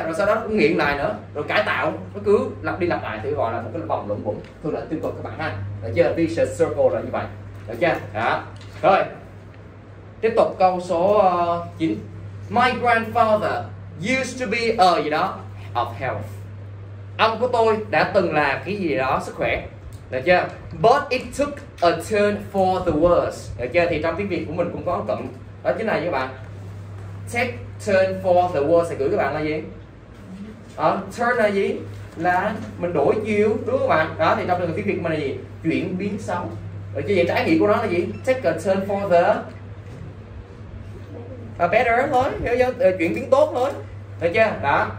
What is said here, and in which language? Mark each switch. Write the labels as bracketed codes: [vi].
[vi] Rồi sau đó cũng nghiện lại nữa rồi cải tạo, nó cứ lặp đi lặp lại thì gọi là một cái vòng luẩn quẩn, thường là tiêu cực các bạn ha. Được chưa? Vicious circle là như vậy, được chưa? Đó. Rồi tiếp tục câu số 9. [en] My grandfather used to be a [vi] gì đó [en] of health. [vi] Ông của tôi đã từng là cái gì đó sức khỏe, được chưa? [en] But it took a turn for the worse. [vi] Được chưa? Thì trong tiếng Việt của mình cũng có cụm đó chính là như các bạn. [en] Take turn for the worse [vi] thì gửi các bạn là gì? Turn là gì? Là mình đổi chiều, đúng không các bạn? Đó thì trong tiếng Việt mình là gì? Chuyển biến xấu. Được chưa? Vậy trái nghĩa của nó là gì? [en] Take a turn for the better [vi] thôi, hiểu chưa? Chuyển biến tốt thôi. Được chưa? Đó.